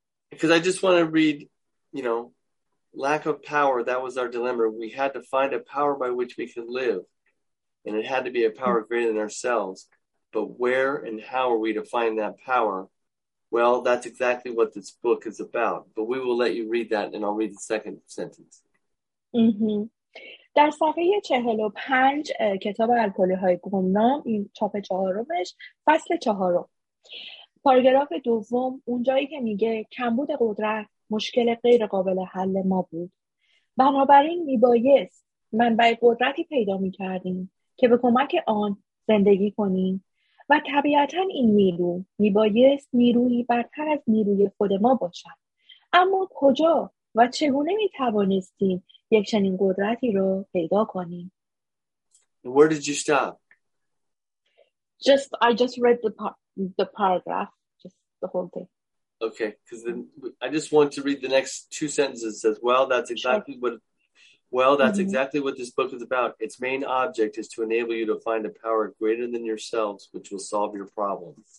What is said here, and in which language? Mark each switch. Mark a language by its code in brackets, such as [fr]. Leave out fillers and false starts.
[en] Because I just want to read, you know, lack of power, that was our dilemma. We had to find a power by which we could live. And it had to be a power greater than ourselves. But where and how are we to find that power? Well, that's exactly what this book is about. But we will let you read that, and I'll read the second sentence. [fa] در صفحه 45 کتاب الکلی‌های گمنام، این چاپ چهارمش، فصل چهارم، پاراگراف دوم، اونجایی که میگه کمبود قدرت مشکل غیر قابل حل ما بود، بنابراین میبایست منبع قدرتی پیدا میکردیم که به کمک آن زندگی کنیم، و طبیعتاً این نیرو میبایست نیروی برتر از نیروی خود ما باشد. اما کجا و چگونه میتوانستیم یک چنین قدرتی رو پیدا کنیم؟ [en] Where did you stop? I just read the paragraph, just the whole thing. Okay, because then I just want to read the next two sentences as well. That's exactly sure. what Well, that's exactly what this book is about. Its main object is to enable you to find a power greater than yourselves, which will solve your problem.